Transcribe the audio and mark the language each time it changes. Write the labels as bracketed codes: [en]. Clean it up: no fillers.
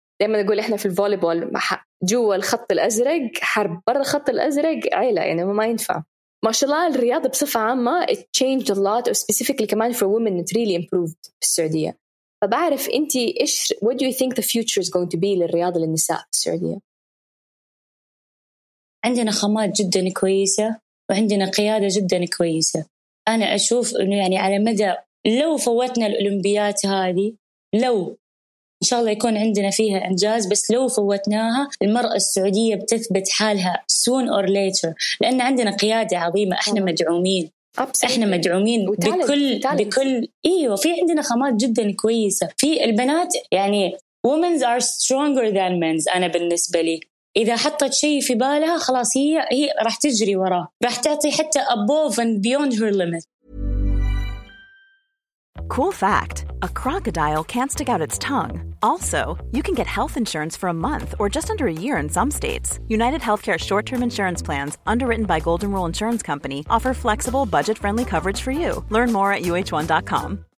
[ar] دائما نقول إحنا في الفولي بول جوا الخط الأزرق حرب، برا الخط الأزرق عيلة، يعني ما ينفع. ما شاء الله الرياضة بصفة عامة [en] it changed a lot specifically [ar] كمان [en] for women it really improved [ar] في السعودية. فبعرف أنت إيش [en] what do you think the future is going to be [ar] للرياضة للنساء في السعودية؟ عندنا خامات جدا كويسة وعندنا قيادة جدا كويسة. أنا أشوف إنه يعني على مدى لو فوتنا الأولمبيات هذه، لو إن شاء الله يكون عندنا فيها إنجاز، بس لو فوتناها المرأة السعودية بتثبت حالها [en] soon or later، [ar] لأن عندنا قيادة عظيمة. إحنا مدعومين. [en] Absolutely. [ar] إحنا مدعومين بكل إيوه. في عندنا خامات جدا كويسة. في البنات يعني [en] women are stronger than men. [ar] أنا بالنسبة لي إذا حطت شيء في بالها خلاص هي راح تجري وراه، راح تعطي حتى [en] above and beyond her limit. Cool fact, a crocodile can't stick out its tongue. Also, you can get health insurance for a month or just under a year in some states. United Healthcare short-term insurance plans, underwritten by Golden Rule Insurance Company, offer flexible, budget-friendly coverage for you. Learn more at uh1.com.